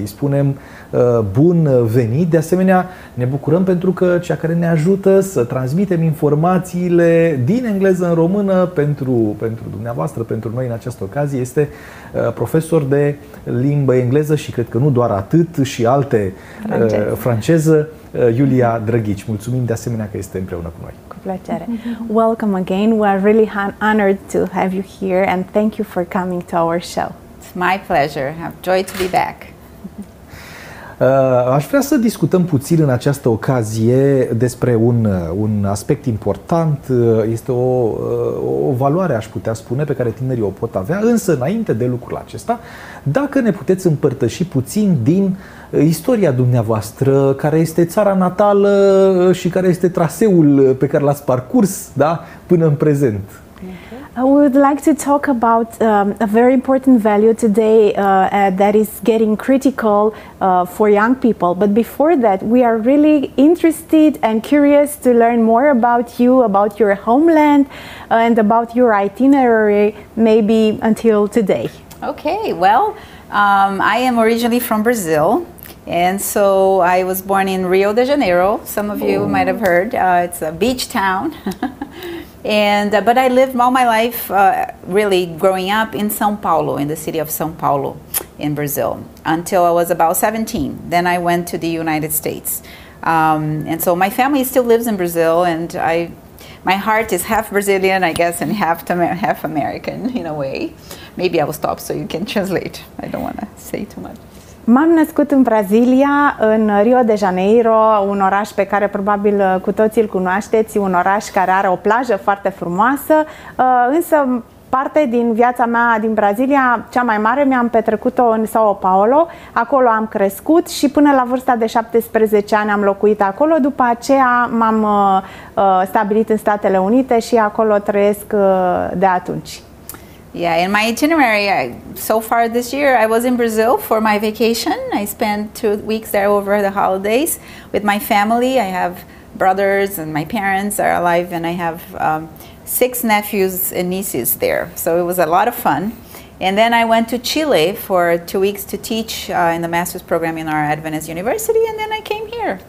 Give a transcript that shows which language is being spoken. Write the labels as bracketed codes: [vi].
[ro] Îi spunem bun venit. De asemenea, ne bucurăm pentru că cea care ne ajută să transmitem informațiile din engleză în română pentru dumneavoastră, pentru noi în această ocazie, este profesor de limbă engleză și cred că nu doar atât, și alte franceză, Iulia Drăghici. Mulțumim de asemenea că este împreună cu noi. Cu plăcere. [en] Welcome again. We are really honored to have you here and thank you for coming to our show. It's my pleasure. I'm joy to be back. [ro] Aș vrea să discutăm puțin în această ocazie despre un aspect important. Este o valoare, aș putea spune, pe care tinerii o pot avea, însă înainte de lucrul acesta, dacă ne puteți împărtăși puțin din istoria dumneavoastră, care este țara natală și care este traseul pe care l-ați parcurs, da, până în prezent. [en] I would like to talk about a very important value today that is getting critical for young people. But before that, we are really interested and curious to learn more about you, about your homeland, and about your itinerary, maybe until today. Okay, well, I am originally from Brazil. And so I was born in Rio de Janeiro. Some of you might have heard. It's a beach town. But I lived all my life, really growing up, in São Paulo, in the city of São Paulo in Brazil, until I was about 17. Then I went to the United States. And so my family still lives in Brazil, and my heart is half Brazilian, I guess, and half American, in a way. Maybe I will stop so you can translate. I don't want to say too much. [ro] M-am născut în Brazilia, în Rio de Janeiro, un oraș pe care probabil cu toții îl cunoașteți, un oraș care are o plajă foarte frumoasă, însă parte din viața mea din Brazilia, cea mai mare, mi-am petrecut-o în São Paulo, acolo am crescut și până la vârsta de 17 ani am locuit acolo, după aceea m-am stabilit în Statele Unite și acolo trăiesc de atunci. [en] Yeah, in my itinerary, so far this year, I was in Brazil for my vacation. I spent 2 weeks there over the holidays with my family. I have brothers and my parents are alive, and I have 6 nephews and nieces there. So it was a lot of fun. And then I went to Chile for 2 weeks to teach in the master's program in our Adventist University, and then I came here.